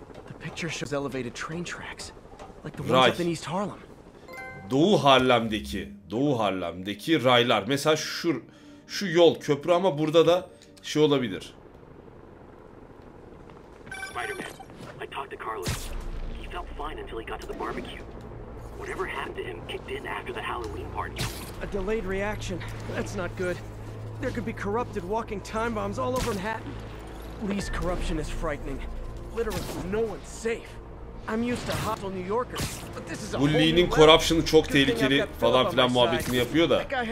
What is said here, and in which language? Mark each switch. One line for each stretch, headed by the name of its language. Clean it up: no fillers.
English: The picture shows elevated train tracks, like the ones up in East Harlem.
Turkish: Doğu Harlem'deki raylar. Mesela şu yol köprü ama burada da şey olabilir.
English: Spider-Man. I talked to Carlos. He felt fine until he got to the barbecue. Whatever happened to him kicked in after the Halloween party. A delayed reaction. That's not good. There could be corrupted walking time bombs all over Manhattan. Lee's corruption is frightening. Literally no one's safe. I'm used to hostile New Yorkers, but this is a whole new level.
Turkish: Corruption'ı çok tehlikeli falan filan muhabbetini yapıyor da.